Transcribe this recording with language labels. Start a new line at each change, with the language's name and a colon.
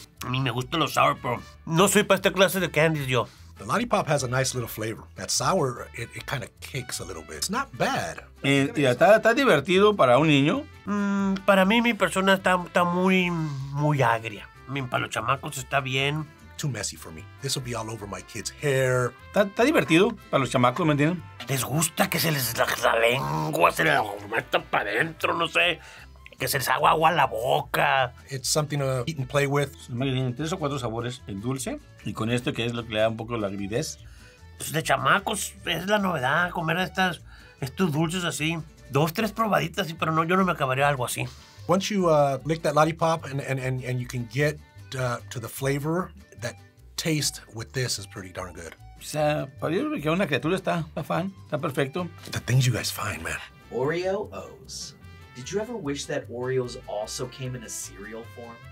Spanish: A mí me gusta lo sour, pero no soy para esta clase de candies yo.
English: The lollipop has a nice little flavor. That sour, it kind of kicks a little bit. It's not bad.
Spanish: Y está divertido para un niño. Para mí, mi persona está muy, muy agria. Para los chamacos está bien.
English: Too messy for me. This will be all over my kids' hair.
Spanish: Está divertido para los chamacos, ¿me entienden? Les gusta que se les la lengua, se les meta para adentro, no sé. Que se les haga agua a la boca.
English: It's something to eat and play with.
Spanish: Tienen 3 o 4 sabores en dulce. Y con esto, que es lo que le da un poco la agridez. Pues de chamacos, es la novedad comer estos dulces así. 2, 3 probaditas, pero no, yo no me acabaría algo así.
English: Once you lick that lollipop and you can get to the flavor, that taste with this is pretty darn good.
Spanish: O sea, para yo que una criatura está fan, está perfecto.
English: The things you guys find, man. Oreo O's. Did you ever wish that Oreos also came in a cereal form?